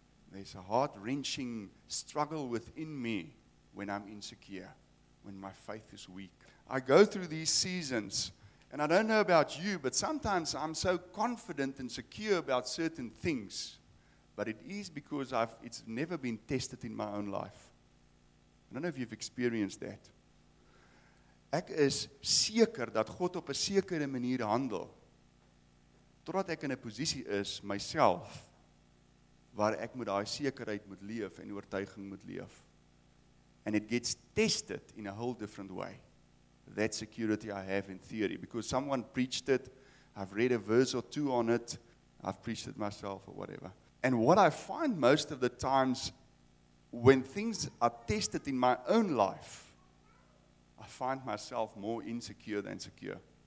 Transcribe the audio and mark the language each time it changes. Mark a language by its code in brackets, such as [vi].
[en] There's a heart-wrenching struggle within me when I'm insecure, when my faith is weak. I go through these seasons, and I don't know about you, but sometimes I'm so confident and secure about certain things. But it is because it's never been tested in my own life. I don't know if you've experienced that. [af] Ek is seker dat God op 'n sekere manier handel, totdat ek in 'n posisie is, myself, waar ek met daai sekerheid moet leef en oortuiging moet leef. [en] And it gets tested in a whole different way. That security I have in theory. Because someone preached it, I've read a verse or two on it, I've preached it myself or whatever. And what I find most of the times when things are tested in my own life, I find myself more insecure than secure.